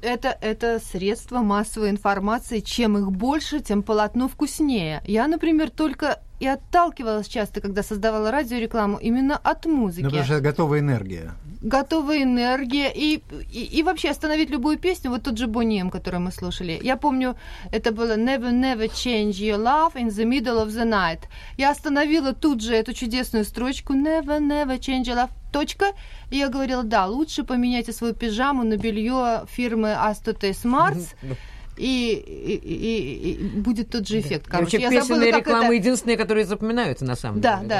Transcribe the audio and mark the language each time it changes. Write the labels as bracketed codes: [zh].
[ru] Это средства массовой информации. Чем их больше, тем полотно вкуснее. Я, например, только и отталкивалась часто, когда создавала радиорекламу, именно от музыки. Ну, потому что это готовая энергия. Готовая энергия. И вообще остановить любую песню, вот тот же Бонни М, который мы слушали. Я помню, это было [en] «Never, never change your love in the middle of the night». [ru] Я остановила тут же эту чудесную строчку [en] «Never, never change your love». [ru] Точка. И я говорила, да, лучше поменяйте свою пижаму на белье фирмы «Astotes Mars». И будет тот же эффект. Короче, песенные рекламы единственные, которые запоминаются на самом деле.